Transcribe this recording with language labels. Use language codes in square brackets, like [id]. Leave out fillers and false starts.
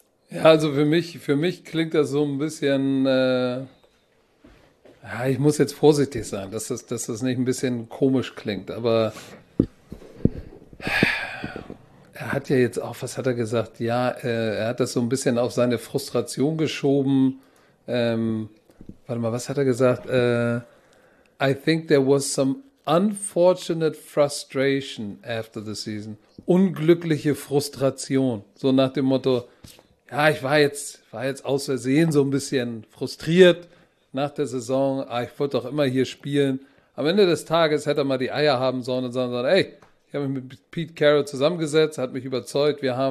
[de] Ja, also für mich klingt das so ein bisschen, ja, ich muss jetzt vorsichtig sein, dass das nicht ein bisschen komisch klingt, aber er hat hat ja jetzt auch, was hat er gesagt? Ja, er hat das so ein bisschen auf seine Frustration geschoben. Warte mal, was hat er gesagt? [en] I think there was some unfortunate frustration after the season. [de] Unglückliche Frustration. So nach dem Motto, ja, ich war jetzt aus Versehen so ein bisschen frustriert nach der Saison. Ah, ich wollte doch immer hier spielen. Am Ende des Tages hätte er mal die Eier haben sollen und sagen sollen, ey, ich habe mich mit Pete Carroll zusammengesetzt, hat mich überzeugt.